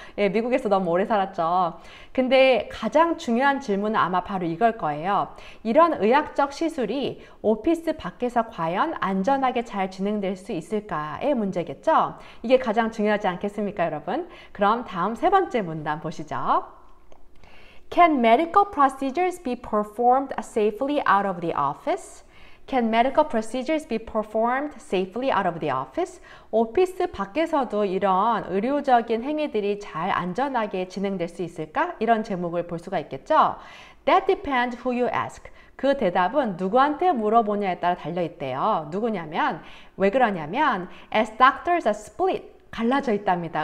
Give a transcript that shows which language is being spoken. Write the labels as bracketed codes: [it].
[ko] 예, 미국에서 너무 오래 살았죠. 근데 가장 중요한 질문은 아마 바로 이걸 거예요. 이런 의학적 시술이 오피스 밖에서 과연 안전하게 잘 진행될 수 있을까의 문제겠죠? 이게 가장 중요하지 않겠습니까, 여러분? 그럼 다음 세 번째 문단 보시죠. [en] Can medical procedures be performed safely out of the office? Can medical procedures be performed safely out of the office? [ko] 오피스 밖에서도 이런 의료적인 행위들이 잘 안전하게 진행될 수 있을까? 이런 제목을 볼 수가 있겠죠? [en] That depends who you ask. [ko] 그 대답은 누구한테 물어보냐에 따라 달려 있대요. 누구냐면, 왜 그러냐면, [en] as doctors are split. [ko] 갈라져 있답니다.